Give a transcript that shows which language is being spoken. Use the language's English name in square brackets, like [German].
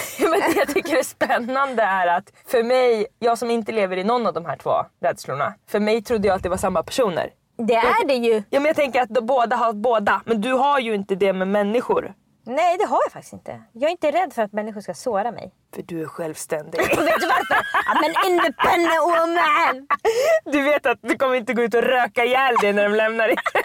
[Swedish] Men det jag tycker är spännande är att för mig, jag som inte lever i någon av de här två rädslorna, för mig trodde jag att det var samma personer. Det är det ju. Ja, men jag tänker att de båda har båda, men du har ju inte det med människor. Nej, det har jag faktiskt inte. Jag är inte rädd för att människor ska såra mig. För du är självständig. Vet du varför? [English] I'm an independent woman. [Swedish] Du vet att du kommer inte gå ut och röka ihjäl dig när de lämnar dig.